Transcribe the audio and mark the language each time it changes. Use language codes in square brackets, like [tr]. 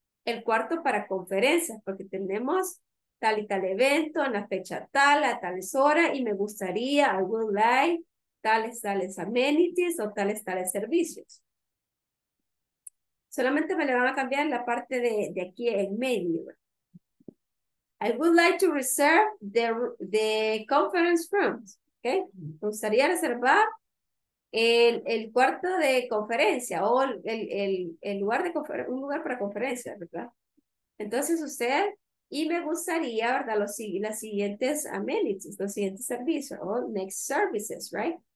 [es] El cuarto para conferencias, porque tenemos tal y tal evento, en la fecha tal, a tales horas, y me gustaría, [en] I would like, [es] tales, tales amenities o tales, tales servicios. Solamente me le van a cambiar la parte de aquí en medio. [en] I would like to reserve the conference rooms, ¿ok? [es] Me gustaría reservar el cuarto de conferencia o el lugar de un lugar para conferencia, ¿verdad? Entonces usted, y me gustaría, ¿verdad? Las siguientes amenities, los siguientes servicios, o [en] next services, [es] ¿right?